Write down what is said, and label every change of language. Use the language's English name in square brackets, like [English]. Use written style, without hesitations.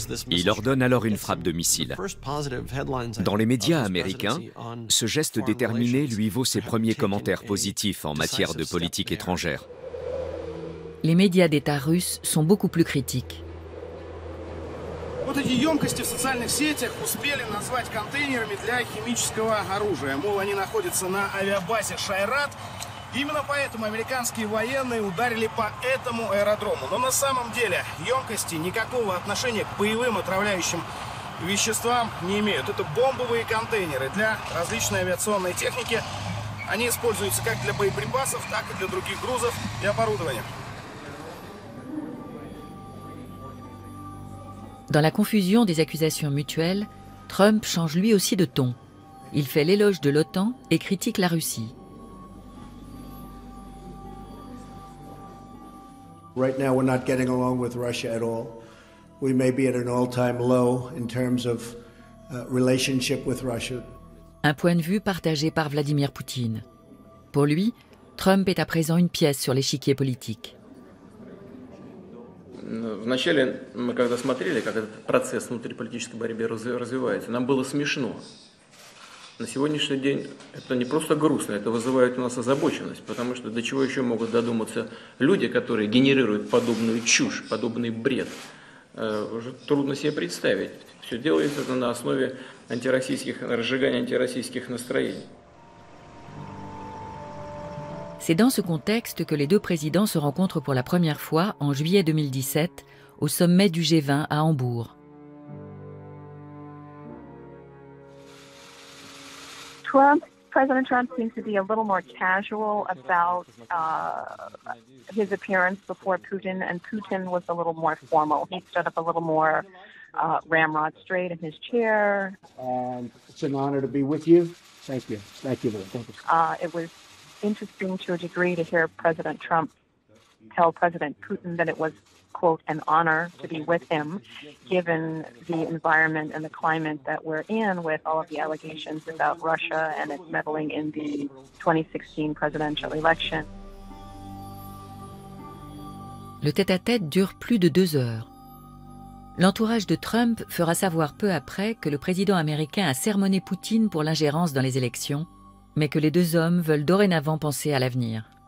[French] Il ordonne alors une frappe de missile. Dans les médias américains, ce geste déterminé lui vaut ses premiers commentaires positifs en matière de politique étrangère. Les médias d'État russes sont beaucoup plus critiques. [Russian] Вот эти емкости в социальных сетях успели назвать контейнерами для химического оружия. Мол, они находятся на авиабазе Шайрат. Именно поэтому американские военные ударили по этому аэродрому. Но на самом деле емкости никакого отношения к боевым отравляющим веществам не имеют. Это бомбовые контейнеры для различной авиационной техники. Они используются как для боеприпасов, так и для других грузов и оборудования. [French] Dans la confusion des accusations mutuelles, Trump change lui aussi de ton. Il fait l'éloge de l'OTAN et critique la Russie. [English] Right now we're not getting along with Russia at all. We may be at an all-time low in terms of relationship with Russia. [French] Un point de vue partagé par Vladimir Poutine. Pour lui, Trump est à présent une pièce sur l'échiquier politique. [Russian] Вначале мы когда смотрели, как этот процесс внутриполитической борьбы развивается, нам было смешно. На сегодняшний день это не просто грустно, это вызывает у нас озабоченность, потому что до чего еще могут додуматься люди, которые генерируют подобную чушь, подобный бред, уже трудно себе представить. Все делается это на основе антироссийских, разжигания антироссийских настроений. [French] C'est dans ce contexte que les deux présidents se rencontrent pour la première fois en juillet 2017 au sommet du G20 à Hambourg. [English] Trump, President Trump seems to be a little more casual about his appearance before Putin, and Putin was a little more formal. He stood up a little more ramrod straight in his chair. And it's an honor to be with you. Thank you. Thank you very much. Interesting to a degree to hear President Trump tell President Putin that it was quote, an honor to be with him, given the environment and the climate that we're in with all of the allegations about Russia and its meddling in the 2016 presidential election. [French] Le tête-à-tête dure plus de deux heures. L'entourage de Trump fera savoir peu après que le président américain a sermonné Poutine pour l'ingérence dans les élections, mais que les deux hommes veulent dorénavant penser à l'avenir.